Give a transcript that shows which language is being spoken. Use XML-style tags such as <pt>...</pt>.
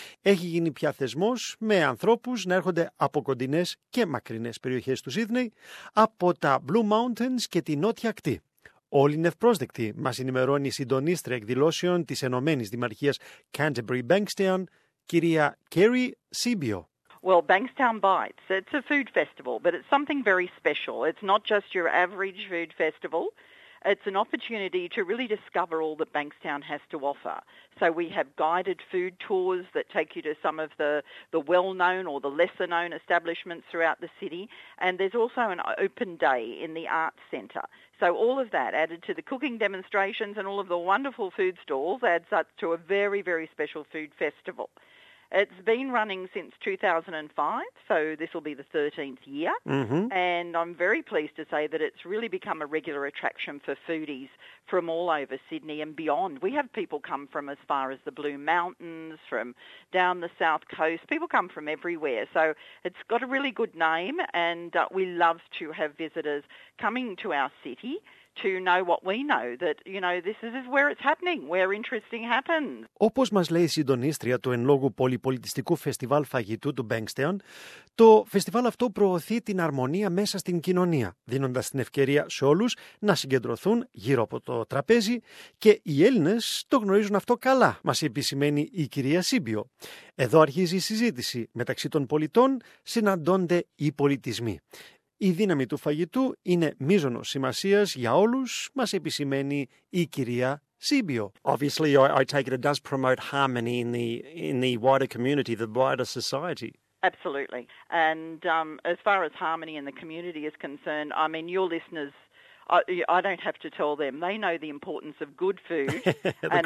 <el>Έχει γίνει πια θεσμός με ανθρώπους να έρχονται από κοντινές και μακρινές περιοχές του Σίδνεϊ, από τα Blue Mountains και τη Νότια Ακτή. Όλοι είναι ευπρόσδεκτοι, μας ενημερώνει η συντονίστρια εκδηλώσεων της Ενωμένης Δημαρχίας Canterbury Bankstown, κυρία Kerry Sibio.</el> <en>Well, Bankstown Bites, it's a food festival, but it's something very special. It's not just your average food festival. It's an opportunity to really discover all that Bankstown has to offer. So we have guided food tours that take you to some of the well-known or the lesser-known establishments throughout the city. And there's also an open day in the arts centre. So all of that added to the cooking demonstrations and all of the wonderful food stalls adds up to a very, very special food festival. It's been running since 2005, so this will be the 13th year. Mm-hmm. And I'm very pleased to say that it's really become a regular attraction for foodies from all over Sydney and beyond. We have people come from as far as the Blue Mountains, from down the south coast. People come from everywhere. So it's got a really good name, and we love to have visitors coming to our city to know what we know, that, you know, this is where it's happening, where interesting happens.</en> <el>Όπως μας λέει η συντονίστρια του εν λόγω πολυπολιτιστικού φεστιβάλ φαγητού του Bankstown, το φεστιβάλ αυτό προωθεί την αρμονία μέσα στην κοινωνία, δίνοντας την ευκαιρία σε όλους να συγκεντρωθούν γύρω από το τραπέζι, και οι Έλληνες το γνωρίζουν αυτό καλά, μας επισημαίνει η κυρία Σίμπιο. Εδώ αρχίζει η συζήτηση. Μεταξύ των πολιτών συναντώνται οι πολιτισμοί. Η δύναμη του φαγητού είναι μείζονο σημασίας για όλους, μας επισημαίνει η κυρία Sibio.</el> <en>Obviously, I take it does promote harmony in the wider community, the wider society. Absolutely. And as far as harmony in the community is concerned, I mean, your listeners, I don't have to tell them. They know the importance of good food and</en>